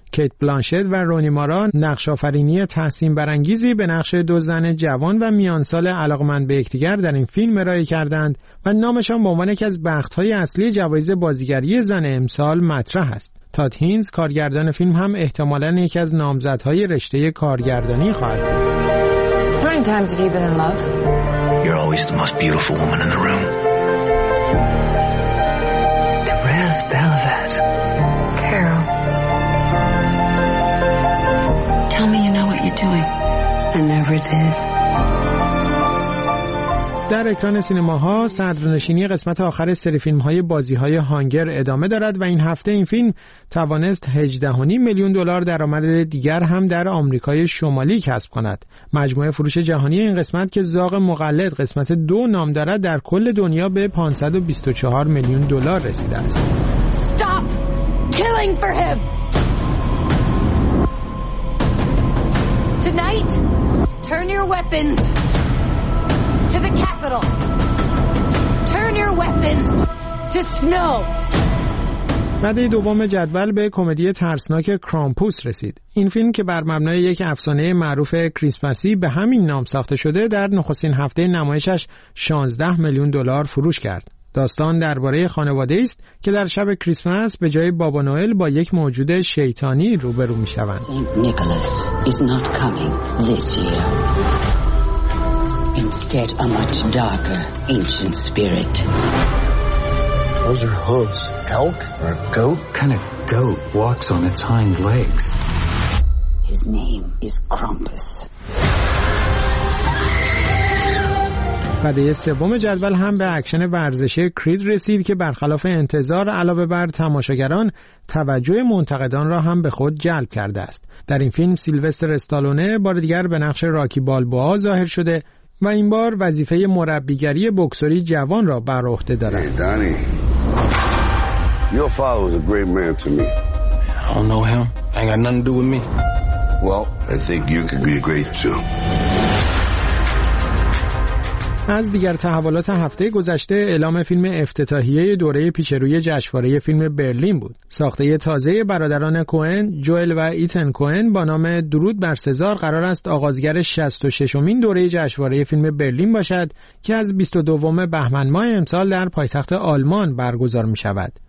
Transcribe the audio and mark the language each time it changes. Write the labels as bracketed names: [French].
[Persian] کیت بلانشت و رونی مارا نقش آفرینی تحسین برانگیزی به نقش دو زن جوان و میانسال علاقمند به یکدیگر در این فیلم ارائه کردند و نامشان به عنوان یکی از بخت‌های اصلی جوایز بازیگری زن امسال مطرح است. تات هینز کارگردان فیلم هم احتمالاً یکی از نامزدهای رشته کارگردانی خواهد بود. [English] Many times have you been in love? You're always the most beautiful woman in the room. Therese Belvet. [Persian] در اکران سینماها صدرنشینی قسمت آخر سری فیلم‌های بازی‌های هانگر ادامه دارد و این هفته این فیلم توانست 18.5 میلیون دلار درآمد دیگر هم در آمریکای شمالی کسب کند. مجموعه فروش جهانی این قسمت که زاغ مقلد قسمت 2 نام دارد در کل دنیا به 524 میلیون دلار رسیده است. [English] Stop killing for him. Tonight, turn your weapons to the Capitol. Turn your weapons to snow. [Persian] رده دوم جدول به کمدی ترسناک کرامپوس رسید. این فیلم که بر مبنای یک افسانه معروف کریسمسی به همین نام ساخته شده، در نخستین هفته نمایشش 16 میلیون دلار فروش کرد. داستان درباره خانواده است که در شب کریسمس به جای بابا نوئل با یک موجود شیطانی روبرو می شوند. [English] Saint Nicholas is not coming this year. Instead a much darker ancient spirit. Those are hooves. Elk or a goat? Kind of goat walks on its hind legs. His name is Krampus. [Persian] رده سوم جدول هم به اکشن ورزشی کرید رسید که برخلاف انتظار علاوه بر تماشاگران، توجه منتقدان را هم به خود جلب کرده است. در این فیلم سیلوستر استالونه بار دیگر به نقش راکی بالبوا ظاهر شده و این بار وظیفه مربیگری بوکسوری جوان را بر عهده دارد. [English] Hey, Donnie. Your father was a great man to me. I don't know him. I got nothing to do with me. Well, I think you could be great too. [Persian] از دیگر تحولات هفته گذشته، اعلام فیلم افتتاحیه دوره پیشروی جشنواره فیلم برلین بود. ساخته تازه برادران کوئن، جوئل و ایتن کوئن با نام درود بر سزار قرار است آغازگر 66مین دوره جشنواره فیلم برلین باشد که از 22 بهمن ماه امسال در پایتخت آلمان برگزار می‌شود.